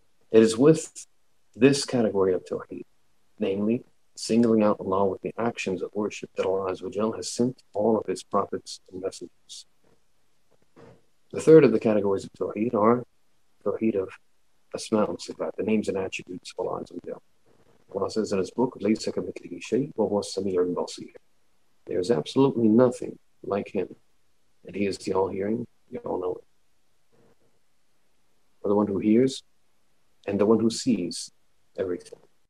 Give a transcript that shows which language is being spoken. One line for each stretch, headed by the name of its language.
English: It is with this category of tawheed, namely singling out Allah with the actions of worship, that Allah Azza wa Jal has sent all of his prophets and messengers. The third of the categories of Tawheed are Tawheed of Asma and Sifat, the names and attributes of Allah Azza wa Jal. Allah says in his book,
Arabic: لَيْسَ كَمِثْلِهِ شَيْءٌ وَهُوَ السَّمِيعُ الْبَصِيرُ.
English: There is absolutely nothing like him, and he is the all-hearing, the all-knowing. Or the one who hears, and the one who sees everything.